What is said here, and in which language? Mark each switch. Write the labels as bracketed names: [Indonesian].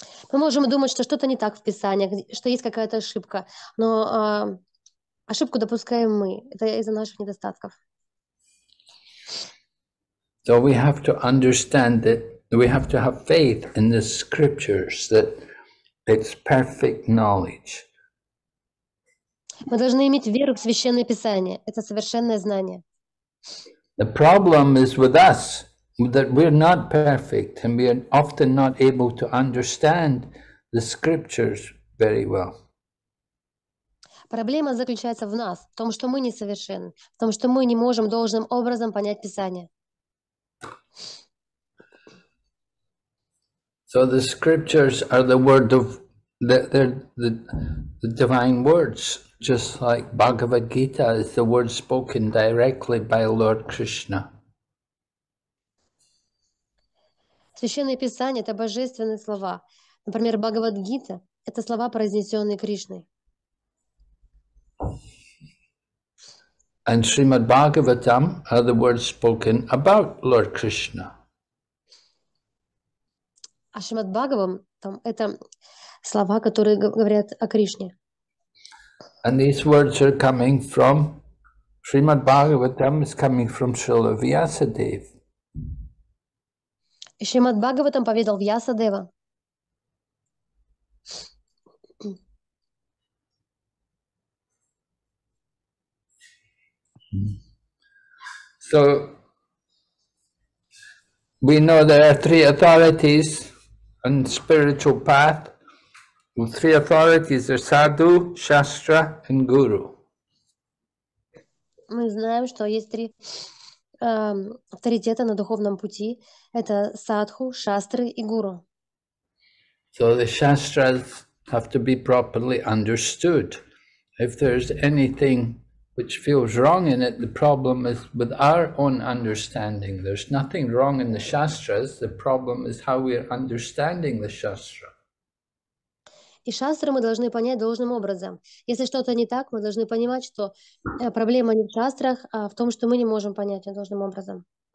[Russian] Мы можем думать, что что-то не так в Писании, что есть какая-то ошибка, но ошибку допускаем мы, это из-за наших недостатков. [English] So we have to understand that we have to have faith in the scriptures, that it's perfect knowledge. [Russian] Мы должны иметь веру в Священное Писание, это совершенное знание. [English] The problem is with us, that we're not perfect, and we are often not able to understand the scriptures very well. [Russian] Проблема заключается в нас, в том, что мы несовершенны, в том, что мы не можем должным образом понять Писание. [English] So the scriptures are the word of, they're the divine words. Just like Bhagavad Gita is the word spoken directly by Lord Krishna. [Russian] Священное Писание — это божественные слова. Например, Бхагавад Гита — это слова, произнесенные Кришной. [English] And Srimad Bhagavatam are the words spoken about Lord Krishna. [Russian] А Шримад Бхагаватам — это слова, которые говорят о Кришне. [English] And these words are coming from Srimad Bhagavatam is coming from Srila Vyasadeva. [Russian] Srimad Bhagavatam поведал Vyasadeva. [English] So we know there are three authorities on spiritual path. Three authorities are sadhu, shastra, and guru. [Russian] Мы знаем, что есть три авторитета на духовном пути. Это садху, шастры и гуру. [English] So the shastras have to be properly understood. If there's anything which feels wrong in it, the problem is with our own understanding. There's nothing wrong in the shastras. The problem is how we are understanding the shastra. [Russian] И шастры мы должны понять должным образом. Если что-то не так, мы должны понимать, что проблема не в шастрах, а в том, что мы не можем понять должным образом.